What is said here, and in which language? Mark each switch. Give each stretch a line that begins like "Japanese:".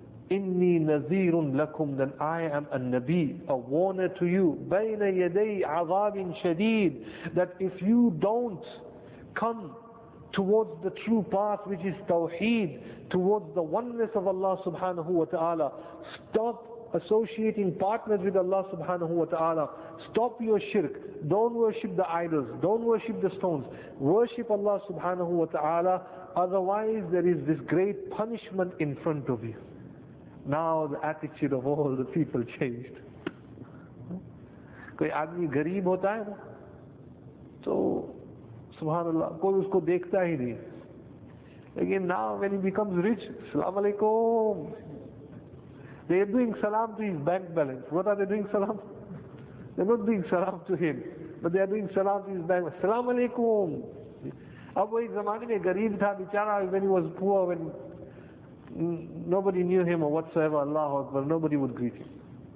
Arabic: inni nazirun lakum,
English: then I am a nabi, a warner to you,
Arabic: bayna yaday azabin shadeed,
English: that if you don't come towards the true path, which is tawheed, towards the oneness of Allah subhanahu wa ta'ala, stop associating partners with Allah subhanahu wa ta'ala, stop your shirk, don't worship the idols, don't worship the stones, worship Allah subhanahu wa ta'ala, otherwise there is this great punishment in front of you. Now the attitude of all the people changed.
Urdu: کوئی آدمی غریب ہوتا ہے نا، so سبحان اللہ، کوئی اس کو دیکھتا ہی نہیں۔
English: Again, now when he becomes rich, assalamu alaikum. They are doing salam to his bank balance. What are they doing salam? They are not doing salam to him, but they are doing salam to his bank balance. Assalamu alaikum.
Urdu: Ab wahi zamane mein gareeb tha bichara,
English: when he was poor, when nobody knew him or whatsoever, Allah Akbar, nobody would greet him.